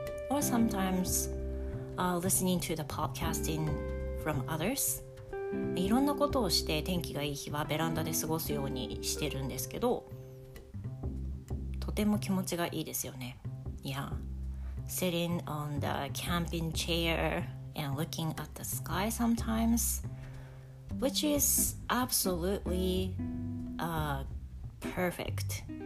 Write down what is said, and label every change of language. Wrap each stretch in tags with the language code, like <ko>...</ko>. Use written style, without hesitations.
<en>Or sometimes listening to the podcasting from others.</en> <ja>いろんなことをして天気がいい日はベランダで過ごすようにしてるんですけど、とても気持ちがいいですよね。</ja> <en>Yeah. Sitting on the camping chair and looking at the sky sometimes, which is absolutely perfect.</en>